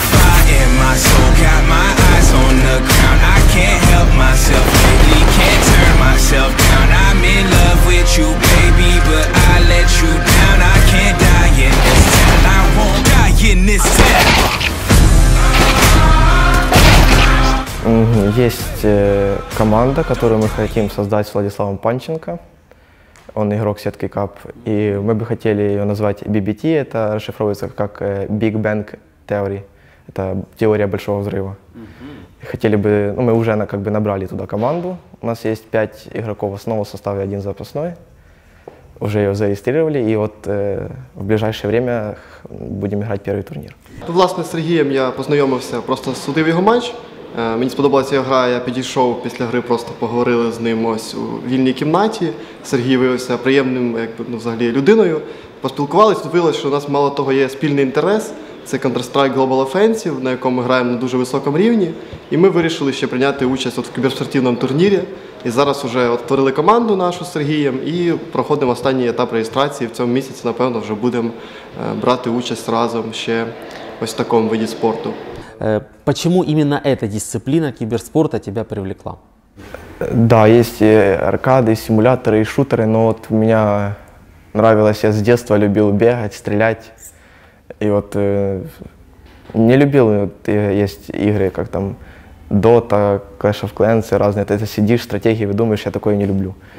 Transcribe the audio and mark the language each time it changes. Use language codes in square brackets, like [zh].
[en] Fire in my soul, got my eyes on the ground. I can't help myself, lately can't turn myself down. I'm in love with you, baby, but I let you down. I can't die in this town, I won't die in this town. [ru] Есть команда, которую мы хотим создать с Владиславом Панченко. Он игрок сетки КАП, и мы бы хотели ее назвать BBT, это расшифровывается как Big Bang Theory, это теория большого взрыва. Хотели бы, ну, мы уже как бы набрали туда команду, у нас есть 5 игроков основы, в составе 1 запасной, уже ее зарегистрировали, и вот в ближайшее время будем играть первый турнир. [uk] Ну, власне, [ru] с Сергеем [uk] я познайомился, просто судив его матч, мені сподобалася його гра, я підійшов після гри, просто поговорили з ним ось у вільній кімнаті. Сергій виявився приємним, якби, ну, взагалі, людиною. Поспілкувалися, виявилося, що у нас мало того є спільний інтерес. Це Counter-Strike Global Offensive, на якому ми граємо на дуже високому рівні. І ми вирішили ще прийняти участь от в кіберспортивному турнірі. І зараз вже утворили команду нашу з Сергієм і проходимо останній етап реєстрації. В цьому місяці, напевно, вже будемо брати участь разом ще ось в такому виді спорту. [ru] Почему именно эта дисциплина киберспорта тебя привлекла? Да, есть и аркады, и симуляторы, и шутеры, но вот мне нравилось, я с детства любил бегать, стрелять. И вот не любил, вот, есть игры, как там Dota, Clash of Clans, разные, ты сидишь, стратегии выдумываешь, я такое не люблю.